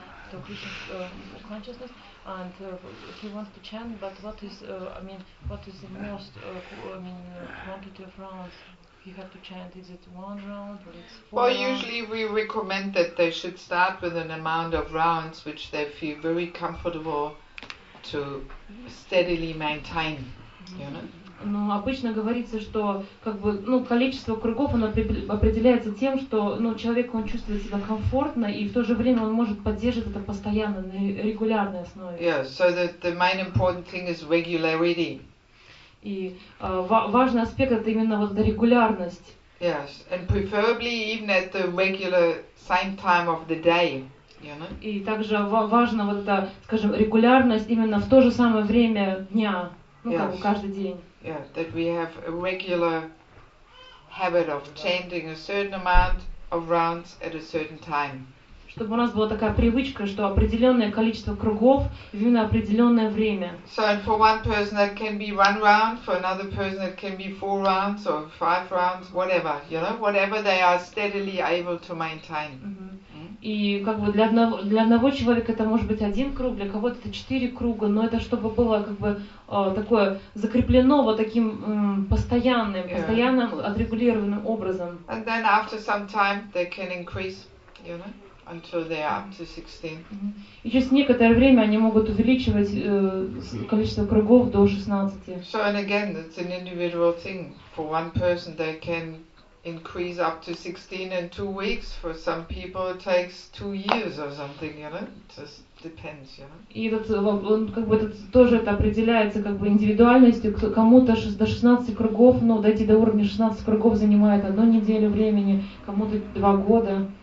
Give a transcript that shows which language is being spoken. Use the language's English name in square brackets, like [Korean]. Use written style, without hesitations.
[English] To Krishna consciousness, and he wants to chant, but what is, I mean, what is the most, quantity of rounds he have to chant? Is it one round, or it's four? Well, usually we recommend that they should start with an amount of rounds which they feel very comfortable to steadily maintain, you know? [Russian] Ну, обычно говорится, что как бы, ну, количество кругов оно определяется тем, что ну, человек он чувствует себя комфортно, и в то же время он может поддерживать это постоянно, на регулярной основе. [English] Yeah, so the main important thing is regularity. [Russian] И важный аспект это именно вот эта регулярность. [English] Yes, and preferably even at the regular same time of the day. [Russian] И также важно вот эта, скажем, регулярность именно в то же самое время дня, ну, как бы каждый день. [English] Yeah, that we have a regular habit of chanting a certain amount of rounds at a certain time. [Russian] Чтобы у нас была такая привычка, что определенное количество кругов именно определенное время. [English] So for one person that can be one round, for another person it can be four rounds or five rounds, whatever, you know, whatever they are steadily able to maintain. [Russian] И как бы для одного человека это может быть один круг, для кого-то это четыре круга, но это чтобы было как бы такое закреплено вот таким постоянным, yeah. постоянным отрегулированным образом. [English] And then after some time they can increase, you know, until they are up to 16. [Russian] И через некоторое время они могут увеличивать количество кругов до 16. [English] So and again, it's an individual thing. For one person they can increase up to 16 in 2 weeks. For some people it takes 2 years or something, you know. It just depends, you know. [Russian] И этот, он как бы этот, тоже это определяется как бы индивидуальностью. Кому-то до 16 кругов, ну, дойти до уровня 16 кругов занимает одну неделю времени, кому-то 2 года.